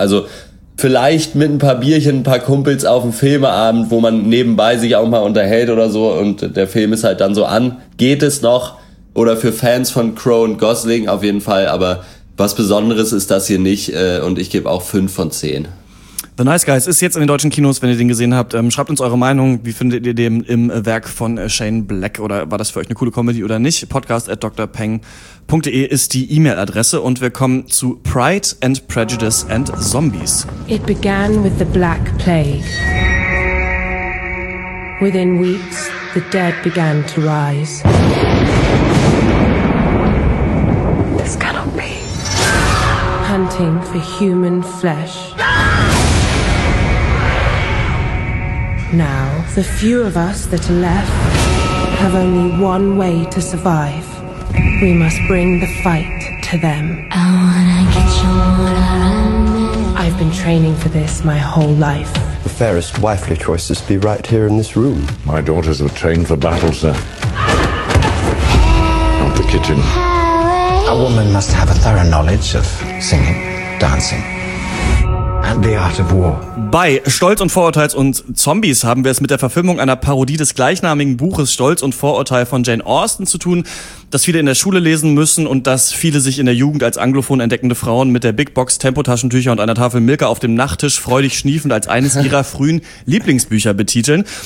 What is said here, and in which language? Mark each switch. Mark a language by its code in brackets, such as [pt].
[de] Also vielleicht mit ein paar Bierchen, ein paar Kumpels auf dem Filmeabend, wo man nebenbei sich auch mal unterhält oder so und der Film ist halt dann so an, geht es noch, oder für Fans von Crow und Gosling auf jeden Fall, aber was Besonderes ist das hier nicht und ich gebe auch 5 von 10. The Nice Guys ist jetzt in den deutschen Kinos, wenn ihr den gesehen habt. Schreibt uns eure Meinung. Wie findet ihr den im Werk von Shane Black? Oder war das für euch eine coole Comedy oder nicht? podcast@drpeng.de ist die E-Mail-Adresse. Und wir kommen zu Pride and Prejudice and Zombies. [en] It began with the Black Plague. Within weeks, the dead began to rise. This cannot be. Hunting for human flesh. Now, the few of us that are left have only one way to survive. We must bring the fight to them. I wanna get you what I'm in. I've been training for this my whole life. The fairest wifely choices be right here in this room? My daughters were trained for battle, sir. Not the kitchen. A woman must have a thorough knowledge of singing, dancing. The Art of War. [de] Bei Stolz und Vorurteil und Zombies haben wir es mit der Verfilmung einer Parodie des gleichnamigen Buches Stolz und Vorurteil von Jane Austen zu tun, das viele in der Schule lesen müssen und das viele sich in der Jugend als anglophon entdeckende Frauen mit der Big Box Tempotaschentücher und einer Tafel Milka auf dem Nachttisch freudig schniefend als eines ihrer frühen Lieblingsbücher betiteln.